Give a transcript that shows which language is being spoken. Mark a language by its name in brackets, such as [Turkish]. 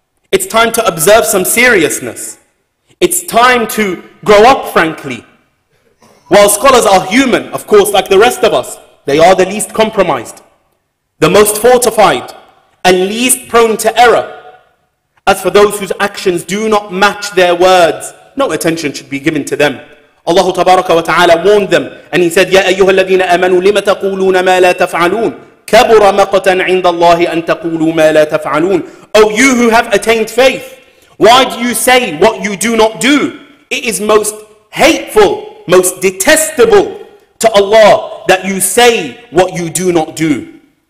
[English] It's time to observe some seriousness. It's time to grow up, frankly. While scholars are human, of course, like the rest of us, they are the least compromised, the most fortified, and least prone to error. As for those whose actions do not match their words, no attention should be given to them. [Arabic] Allah tabaraka wa ta'ala [English] warned them, and he said, [Arabic] يَا أَيُّهَا الَّذِينَ آمَنُوا لِمَ تَقُولُونَ مَا لَا تَفْعَلُونَ كَبُرَ مَقَتًا عِنْدَ اللَّهِ أَن تَقُولُوا مَا لَا تَفْعَلُونَ. [English] O you who have attained faith, why do you say what you do not do? It is most hateful, most detestable to Allah that you say what you do not do.